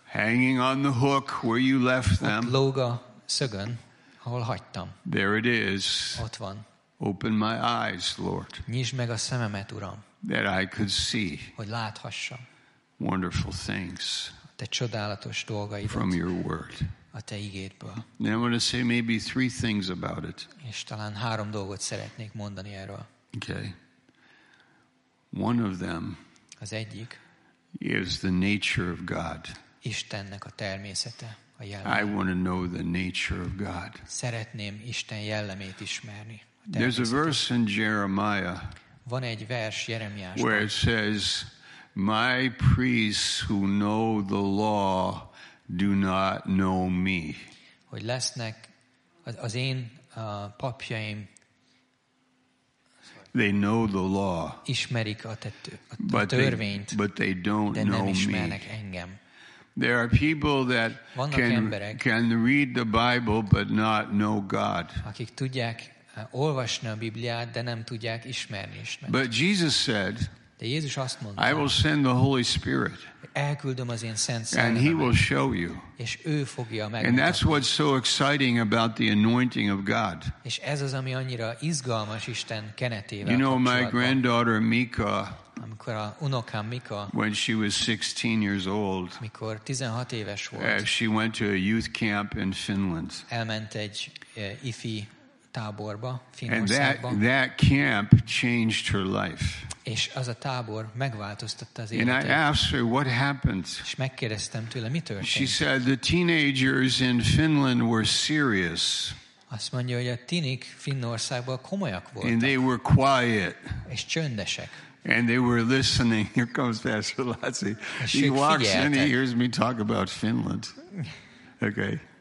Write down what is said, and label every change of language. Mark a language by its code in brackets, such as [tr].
[en] Hanging on the hook where you left them. [hu] Ott lóg a szögön, ahol hagytam. [en] There it is. [hu] Ott van. [en] Open my eyes, Lord. [hu] Nyisd meg a szememet, Uram. [en] That I could see. [hu] Hogy láthassam. [en] Wonderful things [hu] te csodálatos dolgaidat [en] from your word. [hu] a te igédből. [en] Now I'm going to say maybe three things about it. [hu] És talán három dolgot szeretnék mondani erről. [en] Okay. One of them. [hu] Az egyik. [en] Is the nature of God. [hu] Istennek a természete, a jelleme. [en] I want to know the nature of God. [hu] Szeretném Isten jellemét ismerni. [en] There's a verse in Jeremiah. [hu] Van egy vers Jeremiásban. [en] Where it says, "My priests who know the law do not know me." [hu] Hogy lesznek az én papjaim. [en] They know the law. [hu] Ismerik a törvényt. [en] But they don't know me. [hu] De nem ismernek engem. [en] There are people that can read the Bible but not know God. [hu] Akik tudják olvasni a Bibliát, de nem tudják ismerni Istent. [en] But Jesus said, [hu] de Jézus azt mondta, [en] I will send the Holy Spirit. [hu] Elküldöm az én Szent Szellemet. [en] And he will show you. [hu] És ő fogja megmutatni. [en] And that's what's so exciting about the anointing of God. [hu] És ez az, ami annyira izgalmas Isten kenetével. [en] You know, my granddaughter Mika, [hu] amikor a unokám Mika, [en] when she was 16 years old, [hu] mikor 16 éves volt, [en] she went to a youth camp in Finland. [hu] Elment egy ifi táborba, [en] and that camp changed her life. [hu] És az a tábor megváltoztatta az [en] életét. And I asked her what happened. [hu] És megkérdeztem tőle, mi történt. [en] She said the teenagers in Finland were serious. [hu] Azt mondja, hogy a tinik Finnországban komolyak voltak. [en] And they were quiet. [hu] És csöndesek. [en] And they were listening. Here comes Pastor Lazzi. He walks [hu] figyeltek. [en] In, he hears me talk about Finland. Okay.